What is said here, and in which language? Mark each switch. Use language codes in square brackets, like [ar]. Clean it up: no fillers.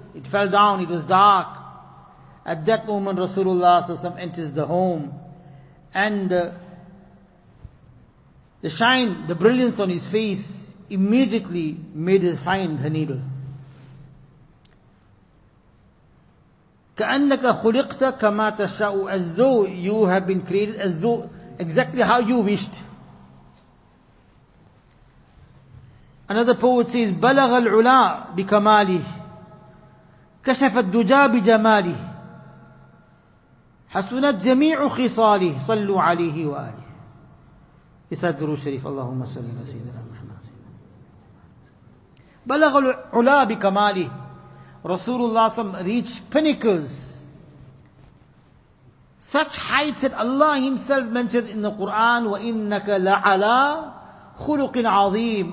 [en] It fell down, it was dark. At that moment Rasulullah enters the home and the shine, the brilliance on his face immediately made her find her needle. [ar] كأنك خلقت كما تشاء, [en] as though you have been created, as though exactly how you wished. Another poet says, [ar] بلغ العلا بكماله كشف الدجا بجماله حسنت جميع خصاله صلوا عليه وآله. [en] It's a درو شريف. [ar] اللهم صل على سيدنا محمد. بلغ العلا بكماله. [en] Rasulullah reached pinnacles, such heights that Allah Himself mentioned in the Quran, [ar] وَإِنَّكَ لَعَلَىٰ خُلُقٍ عَظِيمٍ.